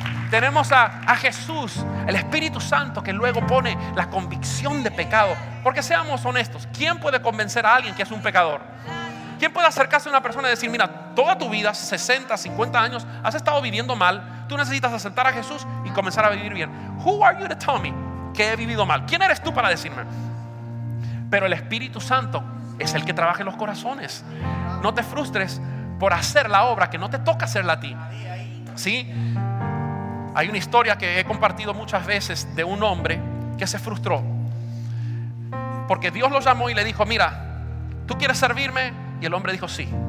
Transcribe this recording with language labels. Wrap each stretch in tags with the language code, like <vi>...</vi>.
<es>Tenemos a Jesús, el Espíritu Santo, que luego pone la convicción de pecado. Porque seamos honestos, ¿quién puede convencer a alguien que es un pecador? ¿Quién puede acercarse a una persona y decir, mira, toda tu vida, 60, 50 años, has estado viviendo mal, tú necesitas aceptar a Jesús y comenzar a vivir bien?</es> <en>Who are you to tell me</en> <es>que he vivido mal? ¿Quién eres tú para decirme? Pero el Espíritu Santo es el que trabaja en los corazones. No te frustres por hacer la obra que no te toca hacerla a ti. ¿Sí? Hay una historia que he compartido muchas veces de un hombre que se frustró porque Dios lo llamó y le dijo, mira, ¿tú quieres servirme? Y el hombre dijo, sí.</es>